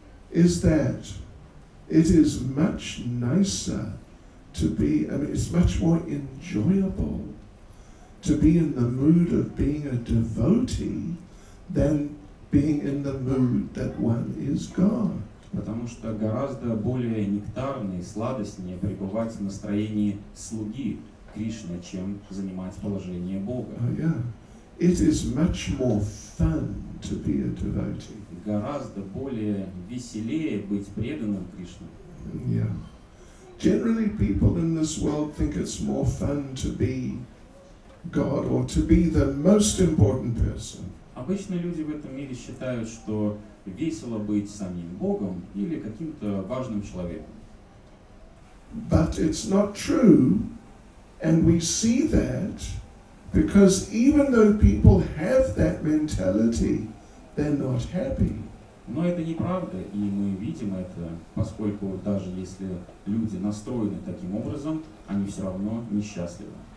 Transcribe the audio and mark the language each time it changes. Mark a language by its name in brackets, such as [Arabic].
[English] Is that it is much nicer to be, I mean, it's much more enjoyable to be in the mood of being a devotee than being in the mood that one is God. [Russian] Потому что гораздо более нектарно и сладостнее пребывать в настроении слуги Кришны, чем занимать положение Бога. [English] Oh, yeah. It is much more fun to be a devotee. [Russian] Гораздо более веселее быть преданным Кришне. [English] Yeah. Generally people in this world think it's more fun to be God or to be the most important person. [Russian] Обычно люди в этом мире считают, что весело быть самим Богом или каким-то важным человеком. [English] But it's not true, and we see that because even though people have that mentality, they're not happy. [Russian] Но это неправда, и мы видим это, поскольку даже если люди настроены таким образом, они все равно несчастливы.